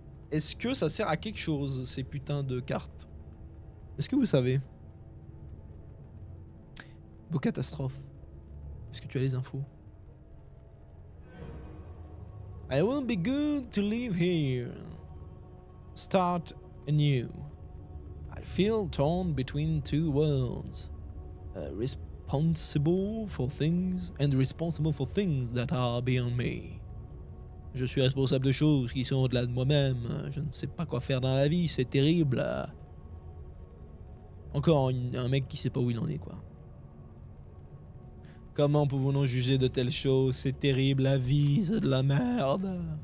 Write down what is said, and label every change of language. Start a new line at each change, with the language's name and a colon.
French: Est-ce que ça sert à quelque chose, ces putains de cartes? Est-ce que vous savez? Vos catastrophes. Est-ce que tu as les infos?
English: I won't be good to live here. Start anew. I feel torn between two worlds. Responsible for things and responsible for things that are beyond me.
French: Je suis responsable de choses qui sont au-delà de moi-même. Je ne sais pas quoi faire dans la vie, c'est terrible. Encore un mec qui sait pas où il en est, quoi. Comment pouvons-nous juger de telles choses? C'est terrible, la vie, c'est de la merde.